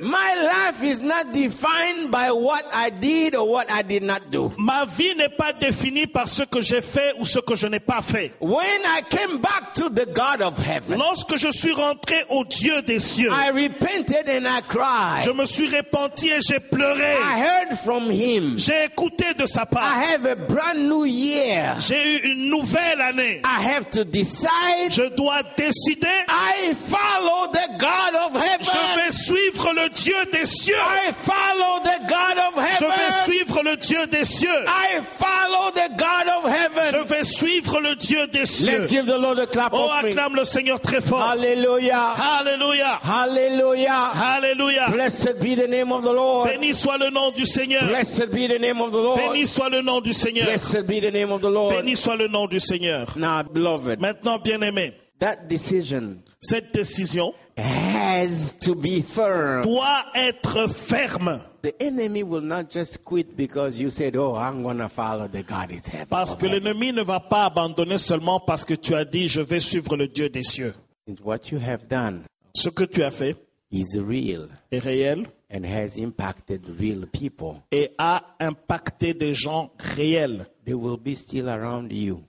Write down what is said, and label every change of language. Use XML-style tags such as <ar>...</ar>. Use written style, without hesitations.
<en>My life is not defined by what I did or what I did not do.</en> <fr>Ma vie n'est pas définie par ce que j'ai fait ou ce que je n'ai pas fait.</fr> <en>When I came back to the God of heaven.</en> <fr>Lorsque je suis rentré au Dieu des cieux.</fr> <en>I repented and I cried.</en> <fr>Je me suis repenti et j'ai pleuré.</fr> <en>I heard from him.</en> <fr>J'ai écouté de sa part.</fr> <en>I have a brand new year.</en> <fr>J'ai eu une nouvelle année.</fr> <en>I have to decide.</en> <fr>Je dois décider.</fr> <en>I follow the God of heaven.</en> <fr>Je vais suivre le Dieu des cieux.</fr> <en>I follow the God of heaven.</en> <fr>Je vais suivre le Dieu des cieux.</fr> <en>I follow the God of heaven.</en> <fr>Je vais suivre le Dieu des cieux.</fr> <en>Let's give the Lord a clap.</en> <fr>Oh, acclame le Seigneur très fort. Alléluia. Alléluia. Alléluia. Alléluia.</fr> <en>Blessed be the name of the Lord.</en> <fr>Béni soit le nom du Seigneur.</fr> <en>Blessed be the name of the Lord.</en> <fr>Béni soit le nom du Seigneur.</fr> <en>Blessed be the name of the Lord.</en> <fr>Béni soit le nom du Seigneur.</fr> <en>Now, beloved.</en> <fr>Maintenant, bien-aimé.</fr> <en>That decision,</en> <fr>cette décision,</fr> <en>has to be firm.</en> <fr>Doit être ferme.</fr> <en>The enemy will not just quit because you said, "Oh, I'm going to follow the God of heaven."</en> <fr>Parce que l'ennemi ne va pas abandonner seulement parce que tu as dit, "Je vais suivre le Dieu des cieux."</fr> <en>And what you have done,</en> <fr>ce que tu as fait,</fr> <en>is real,</en> <fr>est réel,</fr> <en>and has impacted real people,</en> <fr>et a impacté des gens réels.</fr> <en>They will be still around you.</en>